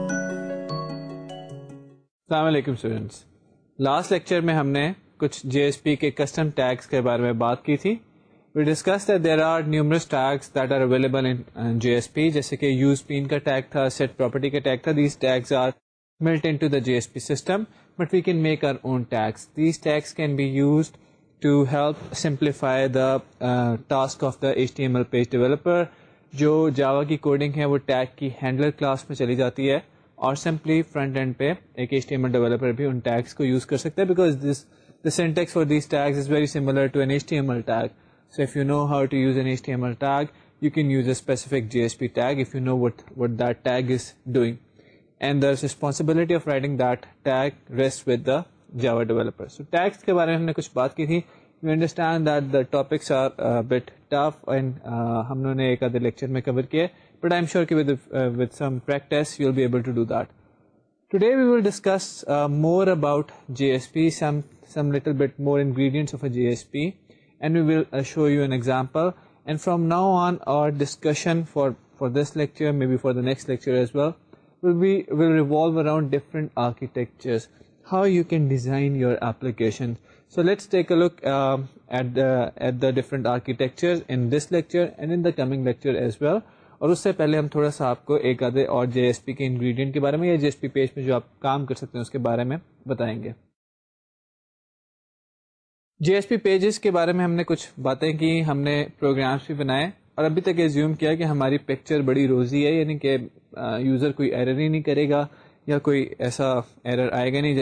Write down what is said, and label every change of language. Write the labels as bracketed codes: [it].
[ur] السلام علیکم students, last lecture میں ہم نے کچھ جی ایس پی کے کسٹم ٹیگس کے بارے میں بات کی تھی. [en] we discuss that there are numerous tags that are available in J S P, [ur] جیسے کہ یوز پین کا ٹیگ تھا، [en] Set property کا tag تھا. These tags are built in to the J S P system, but we can make our own tags. These tags can be used to help simplify the task of the H T M L page developer. [ur] جو جاوا کی coding ہے وہ tag کی handler class میں چلی جاتی ہے، اور سمپلی فرنٹ اینڈ پہ ایک H T M L developer بھی ان ٹیگس کو یوز کر سکتا ہے، [en] Because this syntax for these tags is very similar to an H T M L tag. So if you know how to use an H T M L tag, you can use a specific J S P tag if you know what that tag is doing, and the responsibility of writing that tag rest with the Java developer. [ur] So tags کے بارے میں ہم نے کچھ بات کی تھی. [en] you understand that the topics are bit tough, and [ur] ہم لوگوں نے ایک آدھے لیکچر میں کور کیا، [en] but I'm sure with some practice you'll be able to do that. Today we will discuss more about JSP, some little bit more ingredients of a JSP, and we will show you an example. And from now on, our discussion for this lecture, maybe for the next lecture as well, will revolve around different architectures, how you can design your application. So let's take a look at the different architectures in this lecture and in the coming lecture as well. [ur] اور اس سے پہلے ہم تھوڑا سا آپ کو ایک آدھے اور جے ایس پی کے انگریڈینٹ کے بارے میں یا جے ایس پی پیج میں جو آپ کام کر سکتے ہیں اس کے بارے میں بتائیں گے. جے ایس پی پیجز کے بارے میں ہم نے کچھ باتیں کی، ہم نے پروگرامز بھی بنائے، اور ابھی تک ایزیوم کیا کہ ہماری پکچر بڑی روزی ہے، یعنی کہ یوزر کوئی ایرر ہی نہیں کرے گا یا کوئی ایسا ایرر آئے گا نہیں.